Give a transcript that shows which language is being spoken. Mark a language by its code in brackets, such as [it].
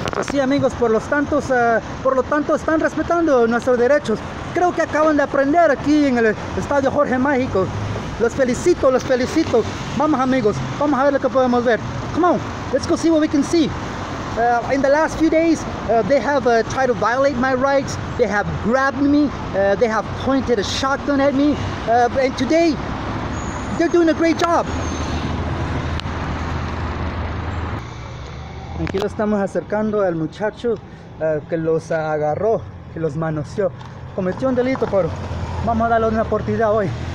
[es] Sí, amigos, por lo tanto están respetando nuestros derechos. Creo que acaban de aprender aquí en el Estadio Jorge Mágico. Los felicito. Vamos, amigos, vamos a ver lo que podemos ver. [en] Come on, let's go see what we can see. In the last few days, they have tried to violate my rights. They have grabbed me. They have pointed a shotgun at me. And today, they're doing a great job. [es] Aquí lo estamos acercando al muchacho que los agarró, que los manoseó. Cometió un delito, pero vamos a darle una oportunidad hoy.